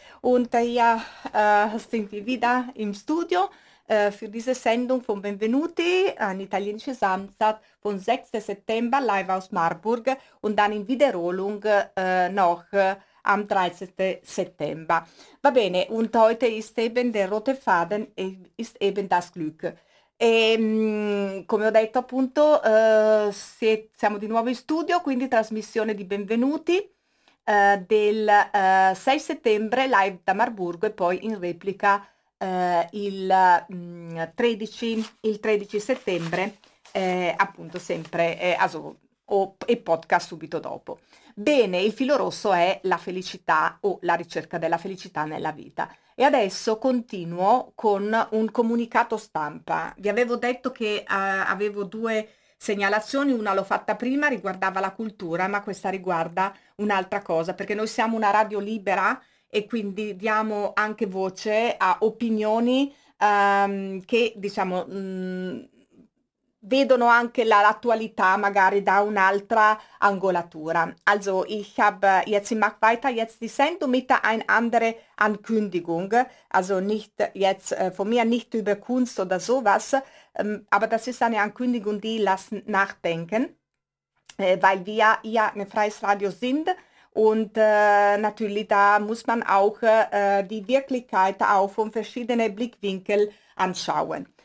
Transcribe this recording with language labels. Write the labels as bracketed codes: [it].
[de] Und ja, sind wir wieder im Studio für diese Sendung von Benvenuti, ein italienischer Samstag vom 6. September live aus Marburg und dann in Wiederholung noch am 13. September. [it] Va bene, [de] und heute ist eben der rote Faden, ist eben das Glück. [it] E come ho detto appunto siamo di nuovo in studio, quindi trasmissione di Benvenuti del 6 settembre live da Marburgo e poi in replica il 13 settembre appunto sempre e podcast subito dopo. Bene, il filo rosso è la felicità o la ricerca della felicità nella vita. E adesso continuo con un comunicato stampa. Vi avevo detto che avevo due segnalazioni, una l'ho fatta prima, riguardava la cultura, ma questa riguarda un'altra cosa, perché noi siamo una radio libera e quindi diamo anche voce a opinioni che diciamo vedono anche l'attualità magari da un'altra angolatura. [de] Also, ich habe jetzt im Mach weiter jetzt die Sendung mit ein andere Ankündigung, also nicht jetzt von mir nicht über Kunst oder sowas, aber das ist eine Ankündigung, die lasst nachdenken, weil wir ja ein freies Radio sind und natürlich da muss man auch die Wirklichkeit auch von verschiedenen Blickwinkeln anschauen.